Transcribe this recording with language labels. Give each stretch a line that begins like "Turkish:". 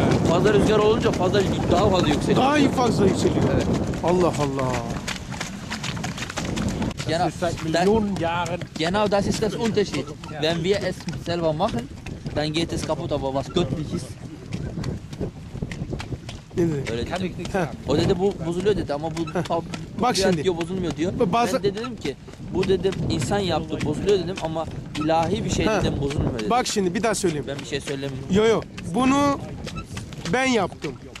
Turkish: fazla rüzgar olunca fazla daha fazla yükseliyor. Daha fazla yükseliyor. Evet. Allah Allah.
German: Genau, seit Millionen Jahren. Genau, das ist das Unterschied. Wenn wir es selber machen, dann geht es kaputt, aber was göttlich ist.
Turkish: Öyle dedi. O dedi bu bozuluyor dedi ama bu bak şimdi diyor bozulmuyor diyor. Ben de dedim ki bu dedim insan yaptı bozuluyor dedim ama ilahi bir şey dedim bozulmuyor dedim. Bak şimdi bir daha söyleyeyim. Ben bir şey söylemiyorum. Yok yok. Bunu ben yaptım.